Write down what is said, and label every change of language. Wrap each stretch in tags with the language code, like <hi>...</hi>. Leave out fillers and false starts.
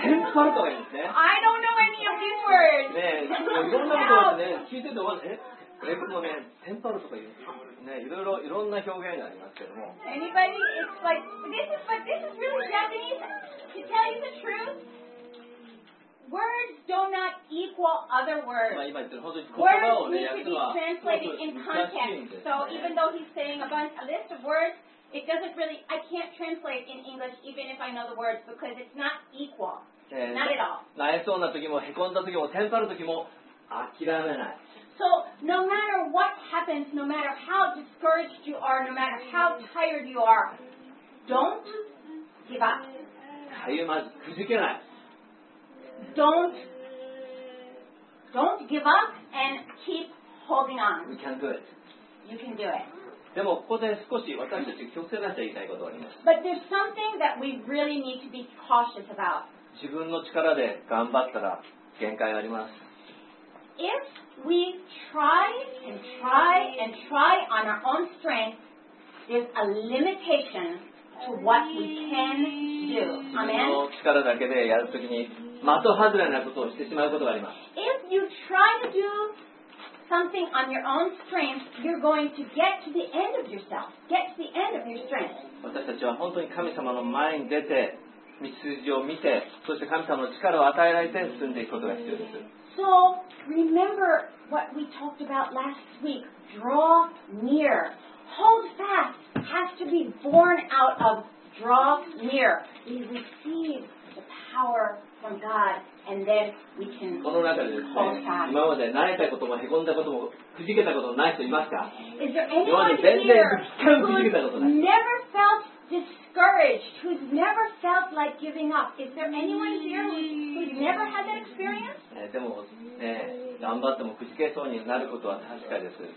<ja>テンパるとか言うんですね。</ja> <en>I don't know any of these words.</en> <ja>ねえ、いろんなことがね、聞いてて、へこむね、テンパるとか言うんですね。ね、いろんな表現がありますけども。</ja> <en>Anybody, it's like, this is really Japanese. To tell you the truth,Words do not equal other words. Words need to be translated in context. So even though he's saying a bunch of list of words, It doesn't really, I can't translate in English even if I know the words because it's not equal. Not at all.</en> <ja>泣えそうな時も、へこんだ時も、諦めない。</ja> <en>So no matter what happens, no matter how discouraged you are, no matter how tired you are, don't give up.</en> <ja>かゆまず、くじけない。</ja> <en>Don't give up and keep holding on. You can do it. You can do it.</en> <ja>でもここで少し私たち気をつけなきゃいけないことがあります。</ja> <en>But there's something that we really need to be cautious about.</en> <ja>自分の力で頑張ったら限界があります。</ja> <en>If we try and try and try on our own strength, there's a limitation to what we can do. Amen.</en> <ja>自分の力だけでやるときに的外れなことをしてしまうことがあります。</ja> <en>If you try to doSomething on your own strength, you're going to get to the end of yourself. Get to the end of your strength.</en> <ja>私たちは本当に神様の前に出て、道筋を見て、そして神様の力を与えられて進んでいくことが必要です。</ja> <en>So, remember what we talked about last week. Draw near. Hold fast has to be born out of draw near. We receive the power from God. And then we can</en> <ja>この中でですね、今まで慣れたこともへこんだこともくじけたこともない人いますか？今まで全然くじけたことない。</ja> <en>Never felt discouraged, who's never felt like giving up. Is there anyone here who's never had that experience?</en> <ja>でも、頑張ってもくじけそうになることは確かです。</ja>